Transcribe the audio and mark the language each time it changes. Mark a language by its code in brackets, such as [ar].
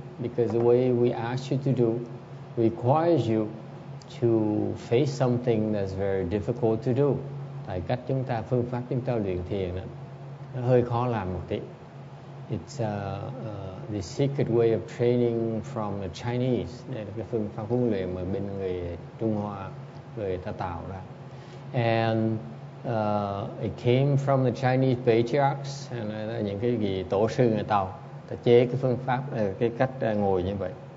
[en] Because the way we ask you to do requires you to face something that's very difficult to do. [vi] Tại cách chúng ta, phương pháp chúng ta luyện thiền đó, nó hơi khó làm một tí. [en] It's the secret way of training from the Chinese. [vi] Đây là cái phương pháp huấn luyện mà bên người Trung Hoa, người ta tạo ra. [en] And it came from the Chinese patriarchs, and [vi] là những cái gì tổ sư người ta ta chế cái phương pháp, cái cách ngồi như vậy.